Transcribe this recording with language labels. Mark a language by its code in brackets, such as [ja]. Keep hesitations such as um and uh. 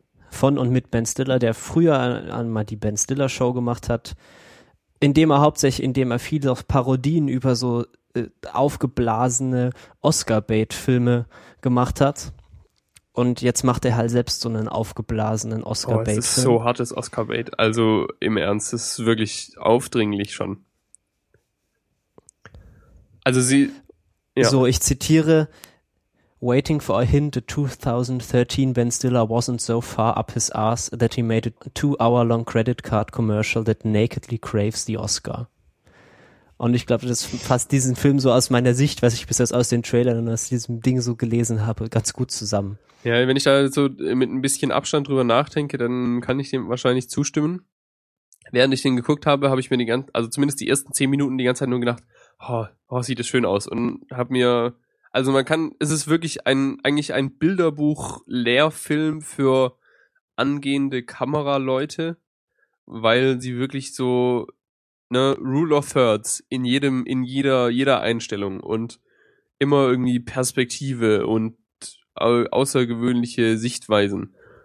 [de] von und mit Ben Stiller, der früher einmal die Ben Stiller Show gemacht hat, indem er hauptsächlich, indem er viele Parodien über so äh, aufgeblasene Oscar-Bait-Filme gemacht hat. Und jetzt macht er halt selbst so einen aufgeblasenen Oh, es Oscar-Bait-Film. ist so hartes Oscar-Bait. Also im Ernst, es ist wirklich aufdringlich schon. Also sie, Ja. [en] So, ich zitiere: Waiting for a hint, the 2013 Ben Stiller wasn't so far up his ass that he made a two-hour-long credit card commercial that nakedly craves the Oscar. [de] Und ich glaube, das fasst diesen Film so aus meiner Sicht, was ich bis jetzt aus den Trailern und aus diesem Ding so gelesen habe, ganz gut zusammen. ja, wenn ich da so mit ein bisschen Abstand drüber nachdenke, dann kann ich dem wahrscheinlich zustimmen. Während ich den geguckt habe, habe ich mir die ganze, also zumindest die ersten zehn Minuten die ganze Zeit nur gedacht, oh, oh sieht das schön aus und habe mir, also man kann, es ist wirklich ein, eigentlich ein Bilderbuch-Lehrfilm für angehende Kameraleute, weil sie wirklich so ne, Rule of Thirds in jedem, in jeder, jeder Einstellung und immer irgendwie Perspektive und au- außergewöhnliche Sichtweisen.